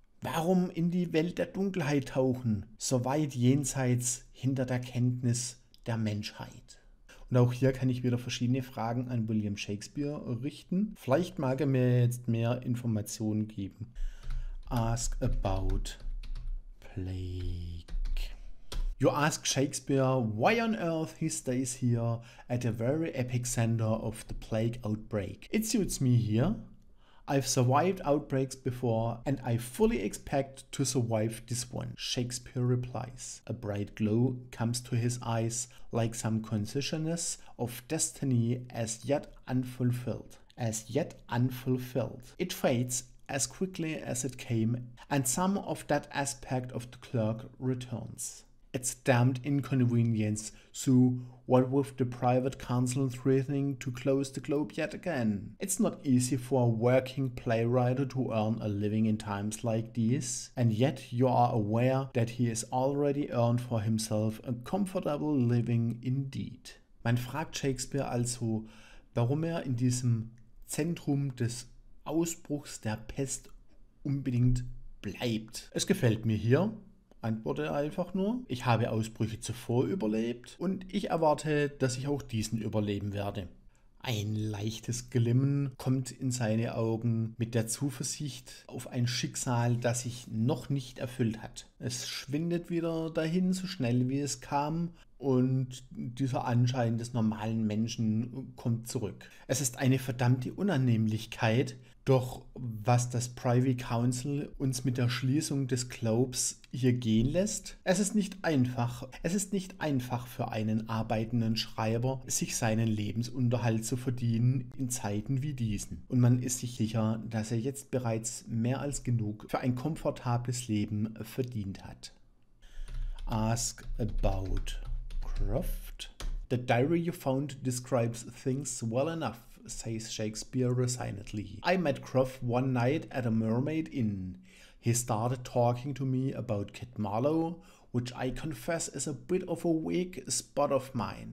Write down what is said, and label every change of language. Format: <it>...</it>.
<de>Warum in die Welt der Dunkelheit tauchen, so weit jenseits hinter der Kenntnis der Menschheit? Und auch hier kann ich wieder verschiedene Fragen an William Shakespeare richten. Vielleicht mag er mir jetzt mehr Informationen geben.</de> <en>Ask about plague. You ask Shakespeare, why on earth he stays here at the very epicenter of the plague outbreak? It suits me here. I've survived outbreaks before and I fully expect to survive this one, Shakespeare replies. A bright glow comes to his eyes like some consciousness of destiny as yet unfulfilled. As yet unfulfilled. It fades as quickly as it came and some of that aspect of the clerk returns. It's damned inconvenience, so what with the private counsel threatening to close the globe yet again? It's not easy for a working playwright to earn a living in times like these, and yet you are aware that he has already earned for himself a comfortable living indeed.</en> <de>Man fragt Shakespeare also, warum er in diesem Zentrum des Ausbruchs der Pest unbedingt bleibt. Es gefällt mir hier. Antworte einfach nur, ich habe Ausbrüche zuvor überlebt und ich erwarte, dass ich auch diesen überleben werde. Ein leichtes Glimmen kommt in seine Augen mit der Zuversicht auf ein Schicksal, das sich noch nicht erfüllt hat. Es schwindet wieder dahin, so schnell wie es kam, und dieser Anschein des normalen Menschen kommt zurück. Es ist eine verdammte Unannehmlichkeit. Doch was das Privy Council uns mit der Schließung des Globes hier gehen lässt? Es ist nicht einfach. Es ist nicht einfach für einen arbeitenden Schreiber, sich seinen Lebensunterhalt zu verdienen in Zeiten wie diesen. Und man ist sich sicher, dass er jetzt bereits mehr als genug für ein komfortables Leben verdient hat.</de> <en>Ask about Croft. The diary you found describes things well enough, says Shakespeare resignedly. I met Croft one night at a Mermaid Inn. He started talking to me about Kit Marlowe, which I confess is a bit of a weak spot of mine.</en>